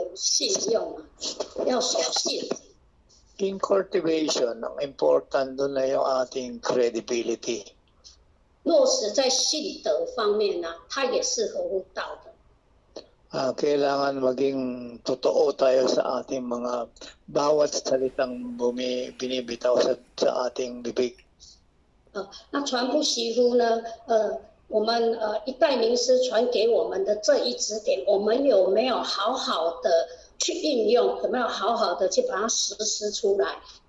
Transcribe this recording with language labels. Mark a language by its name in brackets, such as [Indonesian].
[Chinese] 我们修道啊，一定要有信用，要守信。 [English] In cultivation, [Filipino] ang important doon na yung ating credibility. [Chinese] 落实在信德方面呢，它也是合乎道的。 [Filipino] Kailangan maging totoo tayo sa ating mga bawat salitang binibitaw sa ating bibig. [Chinese] 那传不习乎呢？我们一代名师传给我们的这一指点，我们有没有好好的？去运用，有没有好好的去把它实施出来？